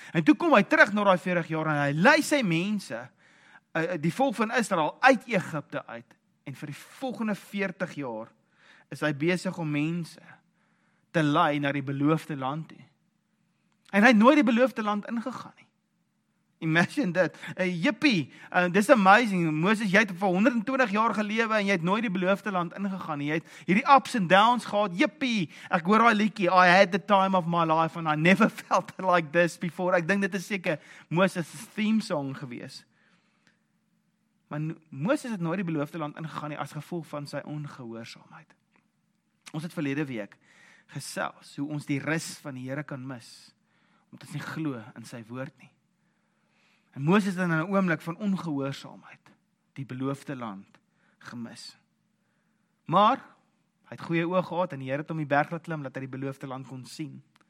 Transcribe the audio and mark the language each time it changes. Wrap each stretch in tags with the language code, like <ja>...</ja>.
<af>En toe kom hy terug na daai 40 jaar, en hy lei sy mense, die volk van Israel, uit Egipte uit, en vir die volgende 40 jaar, is hy besig om mense te lei na die beloofde land toe. En hy het nooit die beloofde land ingegaan nie. Imagine dit. Jippie, dis amazing. Moses, jy het vir 120 jaar gelewe en jy het nooit die beloofde land ingegaan nie. Jy het hierdie</af> <en>ups and downs</en> <af>gehad. Jippie, ek hoor daai liedjie.</af> <en>I had the time of my life and I never felt like this before.</en> <af>Ek dink dit is seker Moses' theme song gewees. Maar Moses het nooit die beloofde land ingegaan nie as gevolg van sy ongehoorsaamheid. Ons het verlede week gesels hoe ons die rus van die Here kan mis. Omdat ons nie glo in sy woord nie. En Moses het in 'n oomblik van ongehoorsaamheid die beloofde land gemis. Maar hy het goeie oë gehad en die Here het hom die berg laat klim dat hy die beloofde land kon sien.</af>